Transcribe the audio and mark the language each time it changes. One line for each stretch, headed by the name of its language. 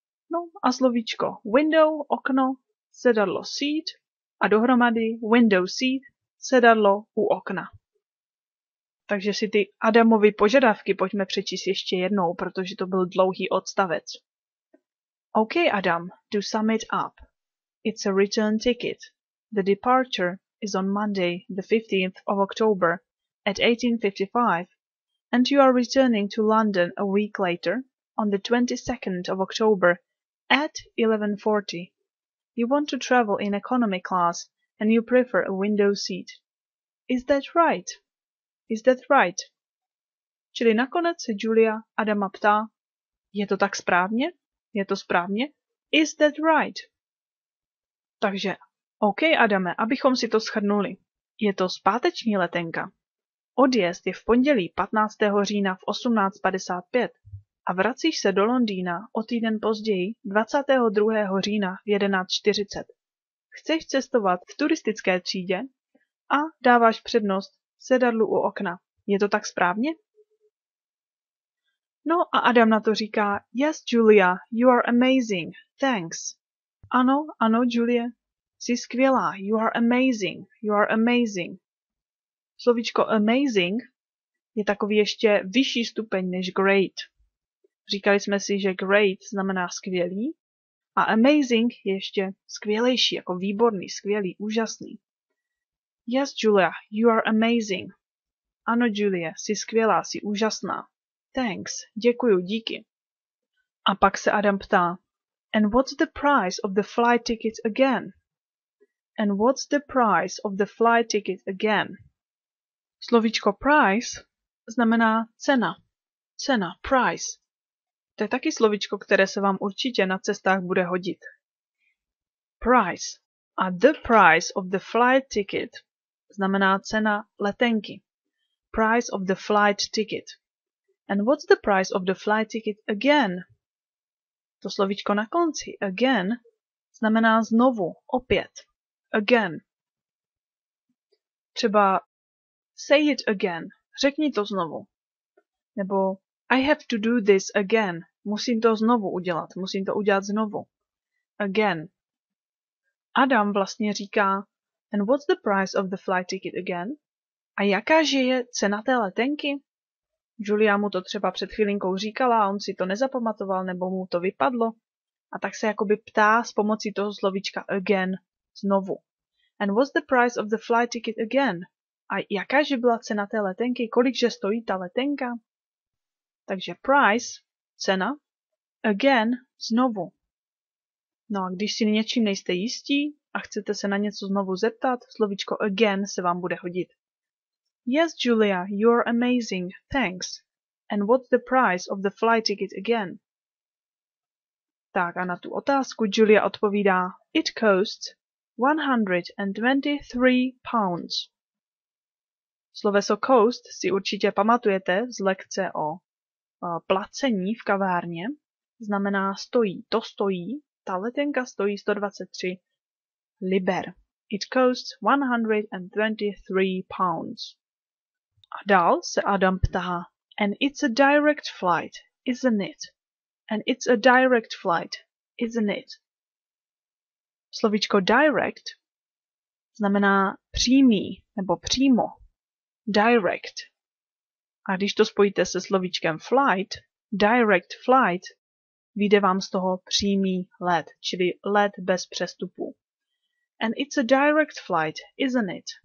Czech: No a slovíčko window, okno, sedadlo seat a dohromady window seat, sedadlo u okna. Takže si ty Adamovy požadavky pojďme přečíst ještě jednou, protože to byl dlouhý odstavec.
English: OK, Adam, to sum it up. It's a return ticket. The departure is on Monday, the 15th of October at 18:55, and you are returning to London a week later, on the 22nd of October at 11:40. You want to travel in economy class and you prefer a window seat. Is that right? Is that right?
Czech: Čili nakonec se Julia Adama ptá, je to tak správně? Je to správně?
English: Is that right?
Czech: Takže, OK, Adame, abychom si to shrnuli. Je to zpáteční letenka. Odjezd je v pondělí 15. října v 18:55 a vracíš se do Londýna o týden později 22. října v 11:40. Chceš cestovat v turistické třídě a dáváš přednost sedadlu u okna. Je to tak správně? No a Adam na to říká,
English: yes, Julia, you are amazing, thanks.
Czech: Ano, ano, Julie, jsi skvělá,
English: you are amazing, you are amazing.
Czech: Slovíčko amazing je takový ještě vyšší stupeň než great. Říkali jsme si, že great znamená skvělý a amazing je ještě skvělejší, jako výborný, skvělý, úžasný.
English: Yes, Julia, you are amazing.
Czech: Ano, Julie, jsi skvělá, jsi úžasná. Thanks, děkuju, díky. A pak se Adam ptá,
English: and what's the price of the flight ticket again? And what's the price of the flight ticket again?
Czech: Slovíčko price znamená cena. Cena, price. To je taky slovíčko, které se vám určitě na cestách bude hodit. Price. A
English: the price of the flight ticket
Czech: znamená cena letenky.
English: Price of the flight ticket. And what's the price of the flight ticket again?
Czech: To slovíčko na konci, again, znamená znovu, opět. Again. Třeba
English: say it again,
Czech: řekni to znovu. Nebo
English: I have to do this again,
Czech: musím to znovu udělat, musím to udělat znovu. Again. Adam vlastně říká,
English: and what's the price of the flight ticket again?
Czech: A jakáže je cena té letenky? Julia mu to třeba před chvilinkou říkala, on si to nezapamatoval nebo mu to vypadlo. A tak se jakoby ptá s pomocí toho slovíčka again znovu.
English: And what's the price of the flight ticket again?
Czech: A jakáže byla cena té letenky? Kolikže stojí ta letenka? Takže price, cena, again, znovu. No a když si něčím nejste jistí a chcete se na něco znovu zeptat, slovíčko again se vám bude hodit.
English: Yes, Julia, you're amazing, thanks. And what's the price of the flight ticket again?
Czech: Tak a na tu otázku Julia odpovídá,
English: it costs £123.
Czech: Sloveso cost si určitě pamatujete z lekce o placení v kavárně. Znamená stojí, to stojí, ta letenka stojí 123 liber.
English: It costs £123.
Czech: A dál se Adam ptá,
English: and it's a direct flight, isn't it? And it's a direct flight, isn't it?
Czech: Slovíčko direct znamená přímý nebo přímo. Direct. A když to spojíte se slovíčkem flight,
English: direct flight,
Czech: vyjde vám z toho přímý let, čili let bez přestupu.
English: And it's a direct flight, isn't it?